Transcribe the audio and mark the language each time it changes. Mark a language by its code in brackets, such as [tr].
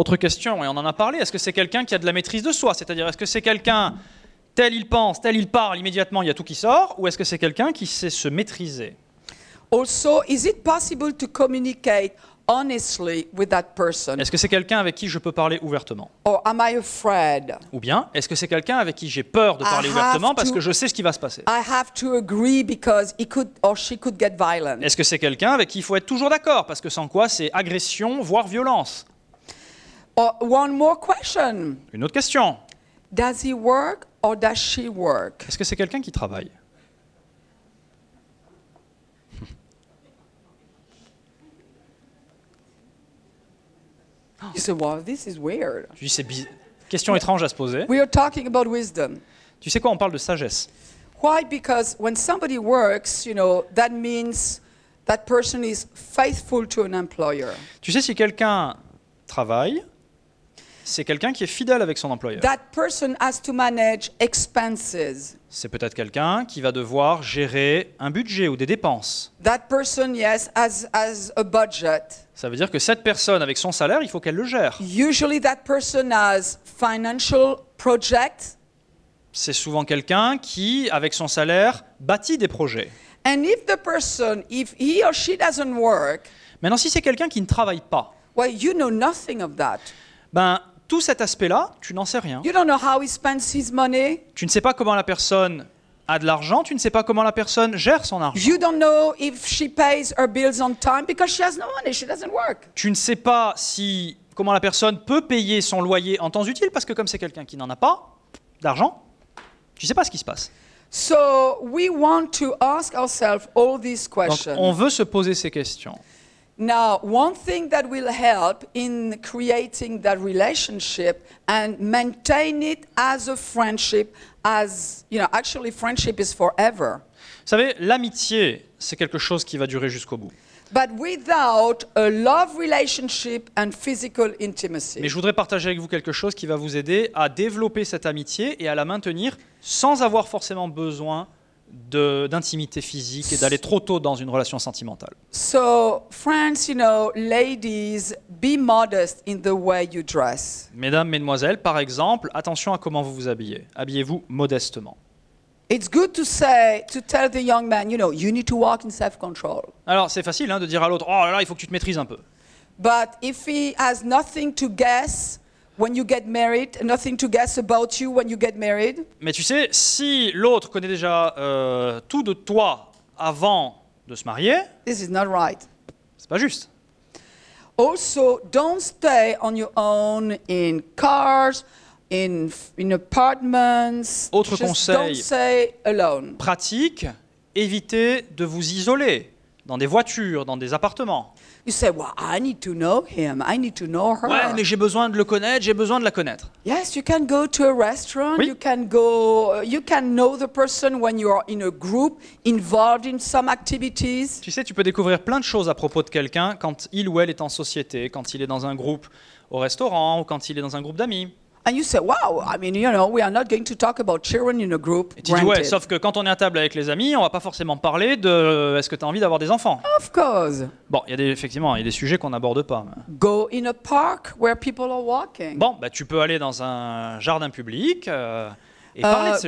[fr] Autre question, et on en a parlé, est-ce que c'est quelqu'un qui a de la maîtrise de soi, c'est-à-dire est-ce que c'est quelqu'un tel il pense, tel il parle, immédiatement il y a tout qui sort, ou est-ce que c'est quelqu'un qui sait se maîtriser? [en] Also, is it possible to communicate honestly with that person? [fr] Est-ce que c'est quelqu'un avec qui je peux parler ouvertement? [en] Or am I afraid? [fr] Ou bien, est-ce que c'est quelqu'un avec qui j'ai peur de parler ouvertement parce que je sais ce qui va se passer? [en] I have to agree because he could or she could get violent. [fr] Est-ce que c'est quelqu'un avec qui il faut être toujours d'accord parce que sans quoi c'est agression voire violence? [en] Or one more question. [fr] Une autre question. [en] Does he work or does she work? [fr] Est-ce que c'est quelqu'un qui travaille? [en] You say, well, this is weird. [fr] Tu dis, c'est bizarre. Question étrange à se poser. [en] We are talking about wisdom. [fr] Tu sais quoi, on parle de sagesse. [en] Why? Because when somebody works, you know, that means that person is faithful to an employer. [fr] Tu sais, si quelqu'un travaille, c'est quelqu'un qui est fidèle avec son employeur. [en] That person has to manage expenses. [fr] C'est peut-être quelqu'un qui va devoir gérer un budget ou des dépenses. [en] That person, yes, has a budget. [fr] Ça veut dire que cette personne, avec son salaire, il faut qu'elle le gère. [en] Usually that person has financial projects. [fr] C'est souvent quelqu'un qui, avec son salaire, bâtit des projets. [en] And if the person, if he or she doesn't work, [fr] maintenant, si c'est quelqu'un qui ne travaille pas, [en] well, you know nothing of that. [fr] Ben, tout cet aspect-là, tu n'en sais rien. [en] You don't know how he spends his money. [fr] Tu ne sais pas comment la personne a de l'argent, tu ne sais pas comment la personne gère son argent. [en] You don't know if she pays her bills on time because she has no money, she doesn't work. [fr] Tu ne sais pas si comment la personne peut payer son loyer en temps utile parce que comme c'est quelqu'un qui n'en a pas d'argent, tu ne sais pas ce qui se passe. [en] So we want to ask ourselves all these questions. [fr] Donc, on veut se poser ces questions. [en] Now, one thing that will help in creating that relationship and maintain it as a friendship, as you know, actually friendship is forever. [fr] Vous savez, l'amitié, c'est quelque chose qui va durer jusqu'au bout. [en] But without a love relationship and physical intimacy. [fr] Mais je voudrais partager avec vous quelque chose qui va vous aider à développer cette amitié et à la maintenir sans avoir forcément besoin d'intimité physique et d'aller trop tôt dans une relation sentimentale. [en] So, friends, you know, ladies, be modest in the way you dress. [fr] Mesdames, mesdemoiselles, par exemple, attention à comment vous vous habillez. Habillez-vous modestement. [en] It's good to say, to tell the young man, you know, you need to walk in self-control. [fr] Alors, c'est facile, hein, de dire à l'autre, oh là là, il faut que tu te maîtrises un peu. [en] But if he has nothing to guess when you get married, nothing to guess about you when you get married. [fr] Mais tu sais, si l'autre connaît déjà tout de toi avant de se marier, [en] this is not right. [fr] C'est pas juste. [en] Also, don't stay on your own in cars, in apartments. [fr] Autre [en] just [fr] conseil, [en] don't stay alone. [fr] Pratique, évitez de vous isoler dans des voitures, dans des appartements. [en] You say, well, I need to know him, I need to know her. [fr] Ouais, mais j'ai besoin de le connaître, j'ai besoin de la connaître. [en] Yes, you can go to a restaurant, [fr] oui. [en] You can know the person when you are in a group, involved in some activities. [fr] Tu sais, tu peux découvrir plein de choses à propos de quelqu'un quand il ou elle est en société, quand il est dans un groupe au restaurant ou quand il est dans un groupe d'amis. [en] And you say, wow, I mean, you know, we are not going to talk about children in a group. [fr] Et tu dis, ouais, sauf que quand on est à table avec les amis, on va pas forcément parler de est-ce que tu as envie d'avoir des enfants. [en] Of course. [fr] Bon, il y a des sujets qu'on n'aborde pas. [en] Go in a park where people are walking. [fr] Bon, bah, tu peux aller dans un jardin public et parler de ces